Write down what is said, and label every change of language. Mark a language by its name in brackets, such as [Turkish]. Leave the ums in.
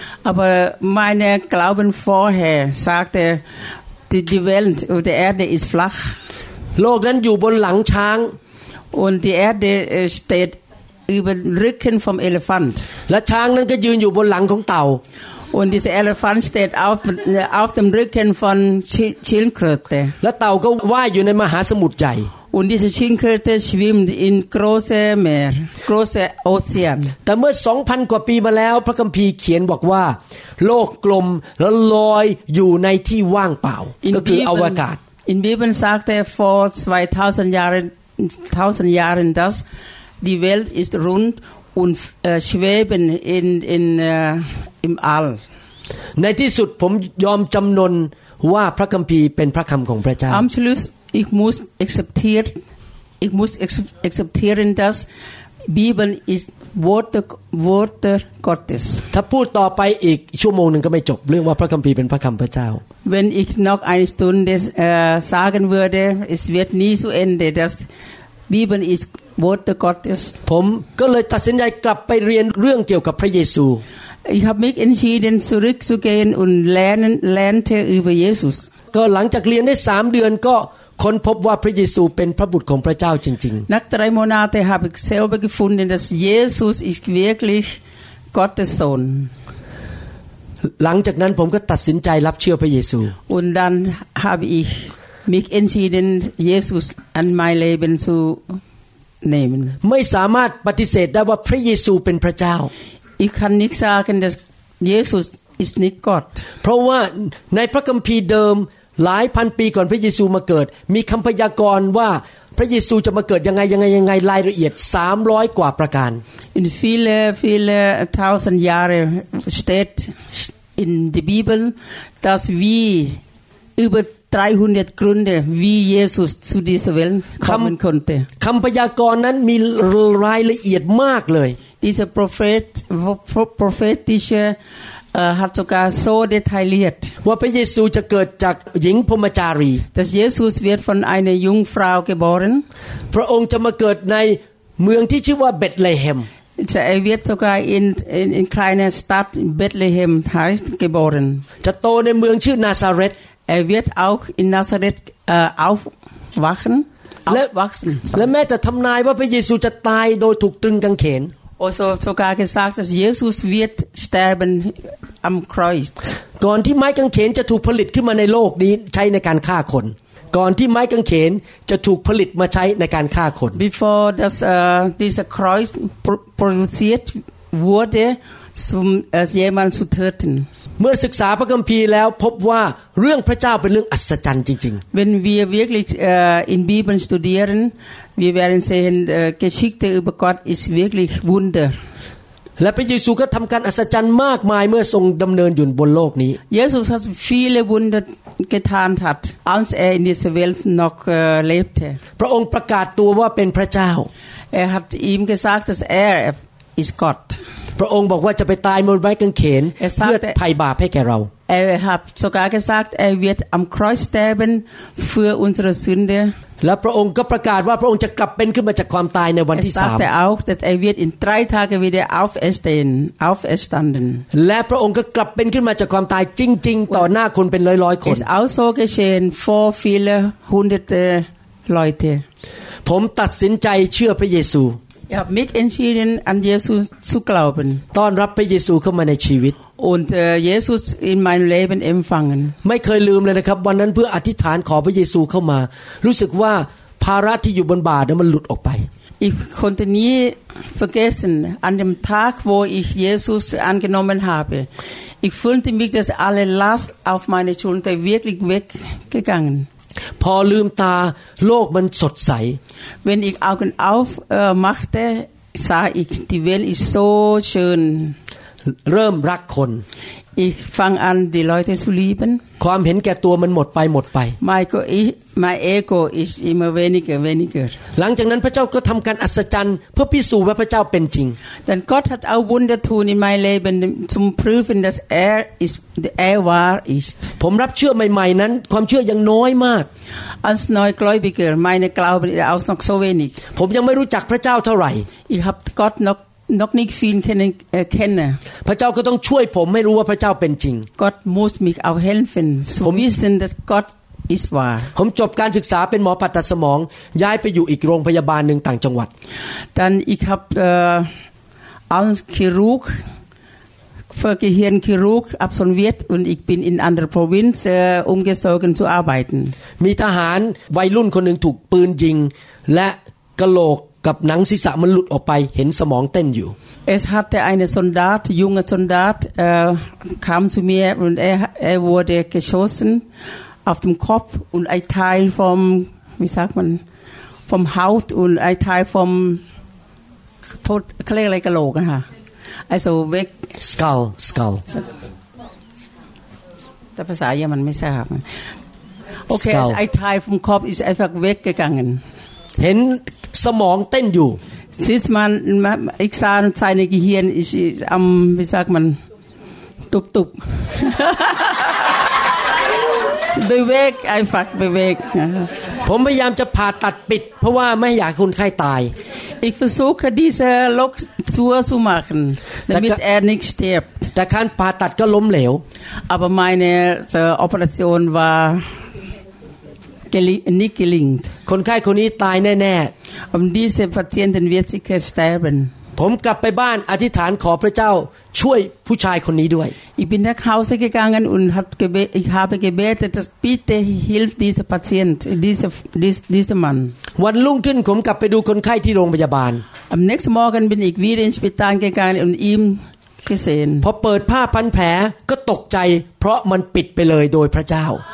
[German] Aber meine Glauben vorher sagte, die, die Welt oder die Erde ist flach [Thai] โลกนั้นอยู่บนหลังช้าง [German] und die Erde äh, steht über dem Rücken vom Elefant. [Thai] และช้างนั้นก็ยืนอยู่บนหลังของเต่า [German] Und dieser Elefant steht auf, äh, auf dem Rücken von Schi- Schildkröte. [Thai] และเต่าก็ว่ายอยู่ในมหาสมุทรใหญ่ [German] Und diese Schildkröte schwimmt in große Meer, große Ozean. [Thai] แต่เมื่อ 2,000 กว่าปีมาแล้ว พระคัมภีร์เขียนบอกว่า โลกกลมแล้วลอยอยู่ในที่ว่างเปล่า [German] In [Thai] ก็คืออว [German] Bibel, [Thai] กาศ [German] in Bibel sagt er vor 2000 Jahren, 1000 Jahren, dass die Welt ist rund und äh, schweben in, in, äh, im All. [Thai] ในที่สุดผมยอมจำนนว่าพระคัมภีร์เป็นพระคำของพระเจ้า [German] Am Schluss, ich muss akzeptieren, ich muss ex- akzeptieren, dass Bibel ist Worte, Worte Gottes. [Thai] ถ้าพูดต่อไปอีกชั่วโมงหนึ่งก็ไม่จบ เรื่องว่าพระคัมภีร์เป็นพระคำพระเจ้า [German] Wenn ich noch eine Stunde äh, sagen würde, es wird nie zu Ende, dass Bibel ist Worte Gottes. [Thai] ผมก็เลยตัดสินใจกลับไปเรียนเรื่องเกี่ยวกับพระเยซู [German] Ich habe mich entschieden, zurückzugehen und lernen, lernte über Jesus. [Thai] ก็หลังจากเรียนได้สามเดือนก็ค้นพบว่าพระเยซูเป็นพระบุตรของพระเจ้าจริง [German] Nach drei Monaten habe ich selber gefunden, dass Jesus ist wirklich Gottes Sohn. [Thai] ๆ หลังจากนั้นผมก็ตัดสินใจรับเชื่อพระเยซู [German] Und dann habe ich mich entschieden, Jesus an mein Leben zu nehmen. [Thai] ไม่สามารถปฏิเสธได้ว่าพระเยซูเป็นพระเจ้า [German] Ich kann nicht sagen, dass Jesus ist nicht Gott. [Thai] เพราะว่าในพระคัมภีร์เดิมหลายพันปีก่อนพระเยซูมาเกิด มีคำพยากรณ์ว่าพระเยซูจะมาเกิดยังไงยังไงยังไงรายละเอียด 300 กว่าประการ [German] In viele, viele tausend Jahre steht in der Bibel, dass wir über 300 Gründe, wie Jesus zu dieser Welt kommen Kam- konnte. [Thai] คำพยากรณ์นั้นมีรายละเอียดมากเลย [German] Dieser Prophet, prophetische äh, hat sogar so detailliert, [Thai] ว่าพระเยซูจะเกิดจากหญิงพรหมจารี [German] dass Jesus wird von einer Jungfrau geboren. [Thai] พระองค์จะมาเกิดในเมืองที่ชื่อว่าเบตเลเฮม [German] Er wird sogar in, in, in kleiner Stadt Bethlehem heißt geboren. [Thai] จะโตในเมืองชื่อนาซาเรต [German] Er wird auch in Nazareth äh, aufwachen. Le- Aufwachsen. [Thai] และแม้จะทำนายว่าพระเยซูจะตายโดยถูกตรึงกางเขน [German] Also sogar gesagt, dass Jesus wird sterben am Kreuz. [Thai] ก่อนที่ไม้กางเขนจะถูกผลิตขึ้นมาในโลกนี้ใช้ในการฆ่าคน ก่อนที่ไม้กางเขนจะถูกผลิตมาใช้ในการฆ่าคน [German] Bevor das, äh, dieser Kreuz pro produziert wurde, um äh, jemanden zu töten. [Thai] เมื่อศึกษาพระคัมภีร์แล้วพบว่าเรื่องพระเจ้าเป็นเรื่องอัศจรรย์จริง [German] Wenn wir wirklich äh, in Bibel studieren, wir werden sehen, äh, Geschichte über Gott ist wirklich Wunder. [Thai] ๆ และพระเยซูก็ทำการอัศจรรย์มากมายเมื่อทรงดำเนินอยู่บนโลกนี้ [German] Jesus hat viele Wunder getan hat, als er in dieser Welt noch äh, lebte. [Thai] พระองค์ประกาศตัวว่าเป็นพระเจ้า [German] Er hat ihm gesagt, dass er ist Gott. [Thai] พระองค์บอกว่าจะไปตายบนไม้กางเขน เอซา เพื่อ เตะ ไถ่บาปให้แก่เรา [German] Er hat sogar gesagt, er wird am Kreuz sterben für unsere Sünde. [Thai] และพระองค์ก็ประกาศว่าพระองค์จะกลับเป็นขึ้นมาจากความตายในวันที่ [German] Es [Thai] สาม [German] sagte auch, dass er wird in drei Tagen wieder auferstehen, auferstanden. [Thai] และพระองค์ก็กลับเป็นขึ้นมาจากความตายจริง ๆ ต่อหน้าคนเป็นร้อยๆคน [German] Ist auch so geschehen vor viele hunderte Leute. [Thai] ผมตัดสินใจเชื่อพระเยซู [German] Ich habe mich entschieden, an Jesus zu glauben [Thai] ต้อนรับพระเยซูเข้ามาในชีวิต [German] und äh, Jesus in mein Leben empfangen. [Thai] ไม่เคยลืมเลยนะครับ วันนั้นเพื่ออธิษฐานขอพระเยซูเข้ามา รู้สึกว่าภาระที่อยู่บนบ่านั้นมันหลุดออกไป [German] Ich konnte nie vergessen, an dem Tag, wo ich Jesus angenommen habe. Ich fühlte mich, dass alle Last auf meine Schulter wirklich weggegangen. [Thai] พอลืมตาโลกมันสดใส [German] Wenn ich Augen auf äh, machte, sah ich, die Welt ist so schön. [Thai] เริ่มรักคน [German] Ich fange an, die Leute zu lieben. [Thai] ความเห็นแก่ตัวมันหมดไปหมดไป [German] Mein, Go- ich, mein Ego ist immer weniger, weniger. [Thai] หลังจากนั้นพระเจ้าก็ทำการอัศจรรย์ เพื่อพิสูจน์ว่าพระเจ้าเป็นจริง [German] Denn Gott hat auch Wunder tun in meinem Leben, zum Prüfen, dass er, ist, er wahr ist. [Thai] ผมรับเชื่อใหม่ ๆ นั้น ความเชื่อยังน้อยมาก [German] Als Neugläubiger, meine Glaube ist auch noch so wenig. [Thai] ผมยังไม่รู้จักพระเจ้าเท่าไหร่ [German] Ich habe Gott noch, noch nicht viel kennen, äh, kennen. [Thai] พระเจ้าก็ต้องช่วยผมให้รู้ว่าพระเจ้าเป็นจริง [German] Gott muss mich auch helfen, zu wissen, dass Gott ist wahr. [Thai] ผมจบการศึกษาเป็นหมอผ่าตัดสมอง ย้ายไปอยู่อีกโรงพยาบาลหนึ่งต่างจังหวัด [German] Dann ich habe äh, als Chirurg für Gehirnchirurg absolviert und ich bin in andere Provinz äh, umgezogen zu arbeiten. [Thai] มีทหารวัยรุ่นคนหนึ่งถูกปืนยิง และกะโหลกกับหนังศีรษะมันหลุดออกไปเห็นสมองเต้นอยู่ [German] Es hatte eine Soldat, junger Soldat, äh, kam zu mir und er, er wurde geschossen auf dem Kopf und ein Teil vom, wie sagt man, vom Haut und ein Teil vom, tot, gelogen, ha. also weg, [English] skull skull [Thai] แต่ภาษาเยอรมันไม่ทราบ โอเค [English] Skull ไอ้ทายฟ m มคอป [German] is einfach weggegangen [Thai] เห็นสมองเต้นอยู่ [German] sieht man ich sah seine Gehirn ist am wie sagt man [Thai] ตุบตุบ [German] bewegt einfach bewegt [Thai] นะคะ ผมพยายามจะผ่าตัดปิด เพราะว่าไม่อยากให้คนไข้ตาย [German] ich versuche diese Lok zu zu machen damit er nicht stirbt [Thai] แต่การผ่าตัดก็ล้มเหลว [German] aber meine äh, Operation war geling, nicht gelingt [Thai] คนไข้คนนี้ตายแน่ [German] und diese Patienten wird sicher sterben [Thai] ๆ ผมกลับไปบ้านอธิษฐานขอพระเจ้าช่วยผู้ชายคนนี้ด้วย [German] Ich bin nach Hause gegangen und hab gebe ich habe gebetet, dass bitte hilf dieser Patient, dieser, dies, dieser Mann. [Thai] วันรุ่งขึ้นผมกลับไปดูคนไข้ที่โรงพยาบาล [German] Am nächsten Morgen bin ich wieder ins Spital gegangen und ihm gesehen. [Thai] พอเปิดผ้าพันแผลก็ตกใจ เพราะมันปิดไปเลยโดยพระเจ้า